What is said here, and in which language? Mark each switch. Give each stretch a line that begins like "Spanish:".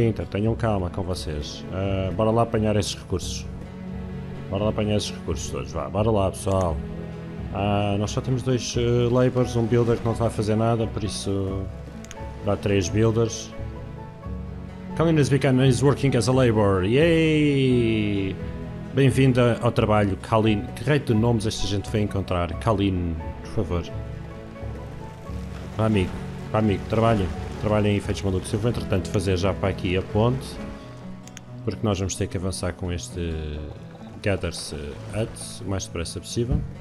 Portuguese: Tenham calma com vocês. Bora lá apanhar esses recursos. Bora lá apanhar esses recursos todos, vá, bora lá, pessoal. Nós só temos dois labors, um builder que não vai fazer nada, por isso dá três builders.
English: Colin has begun his working as a labor, yay!
Portuguese: Bem-vinda ao trabalho, Colin. Que rei de nomes esta gente foi encontrar? Colin, por favor. Vá amigo, trabalhem em efeitos malucos. Eu vou entretanto fazer já para aqui a ponte, porque nós vamos ter que avançar com este Gather-se antes, o mais depressa possível.